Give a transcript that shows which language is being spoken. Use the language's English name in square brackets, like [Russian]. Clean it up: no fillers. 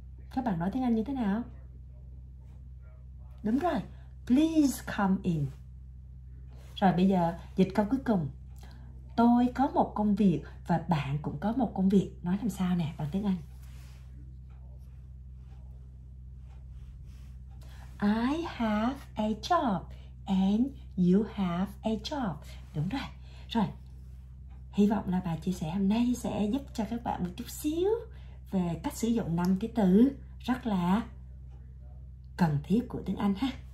[Vietnamese] Các bạn nói tiếng Anh như thế nào? Đúng rồi, [English] please come in. [Vietnamese] Rồi bây giờ dịch câu cuối cùng. Tôi có một công việc và bạn cũng có một công việc. Nói làm sao nè bằng tiếng Anh? [English] I have a job and you have a job. [Vietnamese] Đúng rồi. Rồi, hy vọng là bài chia sẻ hôm nay sẽ giúp cho các bạn một chút xíu về cách sử dụng 5 cái từ rất là cần thiết của tiếng Anh ha.